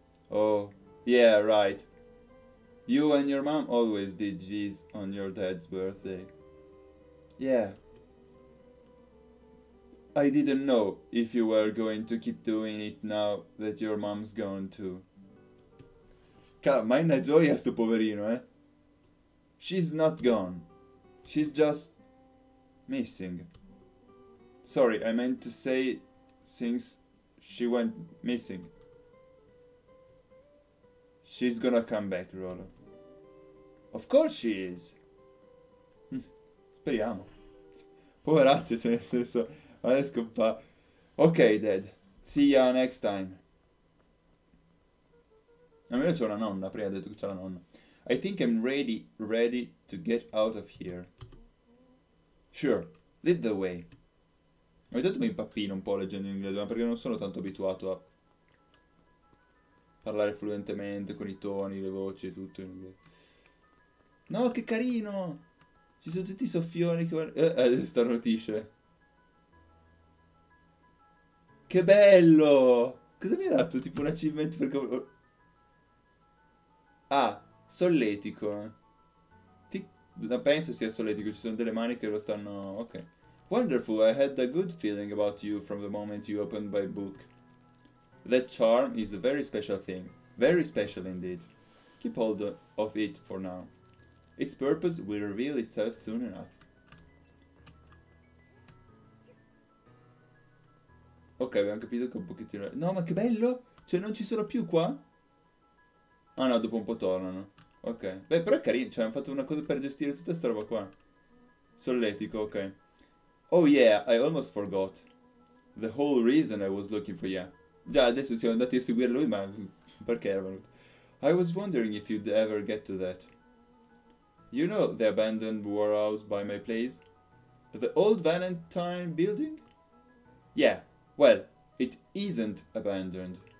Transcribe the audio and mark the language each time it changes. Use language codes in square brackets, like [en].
[en] Oh, yeah, right. You and your mom always did this on your dad's birthday. Yeah. I didn't know if you were going to keep doing it now that your mom's gone too. [it] Ca, ma è una gioia sto poverino, eh? [en] She's not gone. She's just missing. Sorry, I meant to say since she went missing. She's gonna come back, Rolo. Of course she is. [it] Speriamo. Poveraccio, cioè nel senso, adesso compa. [en] Ok, Dad. See ya next time. [it] Almeno c'ho la nonna, prima ha detto che c'ha la nonna. [en] I think I'm ready to get out of here. Sure, lead the way. [it] Ho detto mi impappino un po' leggendo in inglese, ma perché non sono tanto abituato a parlare fluentemente con i toni, le voci e tutto in inglese. No, che carino! Ci sono tutti i soffioni che vanno. Starnutisce. Che bello! Cosa mi ha dato tipo un achievement perché. Ah! Solletico. Penso sia solletico, ci sono delle mani che lo stanno. Ok. [en] Wonderful, I had a good feeling about you from the moment you opened my book. That charm is a very special thing. Very special indeed. Keep hold of it for now. Its purpose will reveal itself soon enough. [it] abbiamo capito che è un pochettino. No, ma che bello! Cioè, non ci sono più qua? Ah, no, dopo un po' tornano. Ok. Beh, però è carino. Cioè, hanno fatto una cosa per gestire tutta sta roba qua. Solletico, [en] ok. Oh yeah, I almost forgot. The whole reason I was looking for you. [it] Già, adesso siamo andati a seguire lui, ma perché era venuto? [en] I was wondering if you'd ever get to that. You know the abandoned warehouse by my place? The old Valentine building? Yeah, well, it isn't abandoned.